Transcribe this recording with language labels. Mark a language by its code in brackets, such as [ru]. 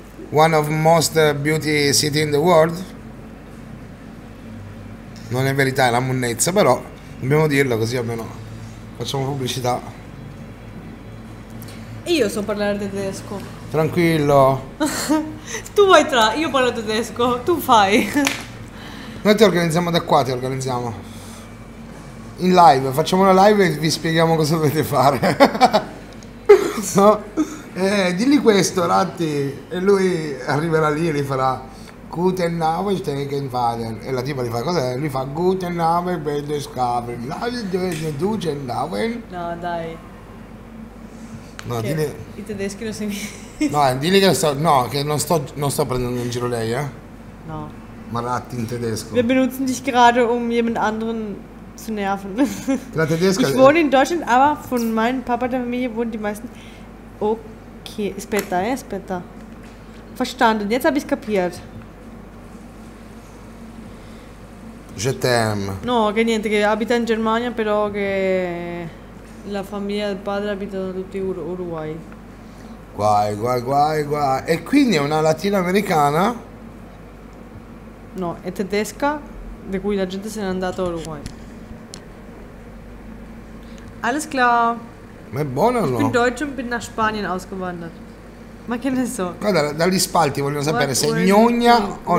[en] One of most beauty city in the world? [it] Non è verità, è la munnezza, però dobbiamo dirlo così almeno facciamo pubblicità. Io so parlare tedesco. Tranquillo. Tu vai tra, io parlo tedesco, tu fai. Noi ti organizziamo da qua, ti organizziamo. In live, facciamo una live e vi spieghiamo cosa dovete fare. No? Dilli questo, Ratti, e lui arriverà lì e li farà. [de] Guten Abend, Tegen Vader. [it] E la tipa gli fa cos'è? Lui fa [de] Guten Abend, Bede Scabri. [it] No, dai. No, okay. I tedeschi non si... No, dili che sto... No, che non sto prendendo in giro lei, No. Ma Ratti in tedesco. [de] Wir benutzen dich gerade, um jemand anderen zu nerven. [it] La tedesca... [de] Ich wohne in Deutschland, aber von meinem Papa der Familie wohnen die meisten... [it] Okay, aspetta, aspetta. [de] Verstanden, jetzt habe ich kapiert. [fr] Je t'aime. [it] No, che niente, che abita in Germania, però che la famiglia del padre abita tutti in Uruguay. Guai, guai, guai, guai. E quindi è una latinoamericana? No, è tedesca, di cui la gente se n'è andata a Uruguay. [de] Alles klar. [it] Ma è buono o no? [de] Ich bin deutsch und bin nach Spanien ausgewandert. [it] Ma che ne so? Guarda, dagli spalti vogliono sapere se è gnogna o no.